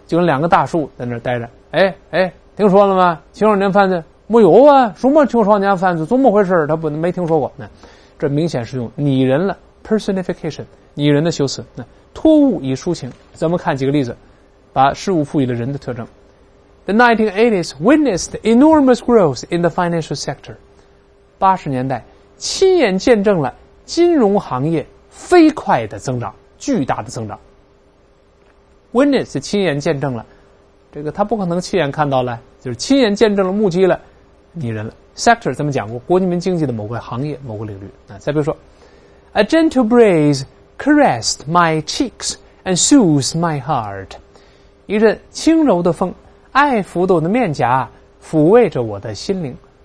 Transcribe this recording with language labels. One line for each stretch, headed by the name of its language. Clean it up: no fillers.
Chinese: 就跟两个大树在那儿待着，听说了吗？青少年犯罪没有啊？什么青少年犯罪？怎么回事？他不没听说过。那这明显是用拟人了 ，personification， 拟人的修辞。那托物以抒情，咱们看几个例子，把事物赋予了人的特征。
English: The 1980s witnessed enormous growth in the financial sector.
Chinese: 80年代亲眼见证了金融行业飞快的增长，巨大的增长。 Witness 亲眼见证了，这个他不可能亲眼看到了，就是亲眼见证了、目击了、拟人了。 Sector 咱们讲过，国民经济的某个行业、某个领域。再比如说 ，
English: A gentle breeze caressed my cheeks and soothed my heart，
Chinese: 一阵轻柔的风，爱抚的我的面颊，抚慰着我的心灵。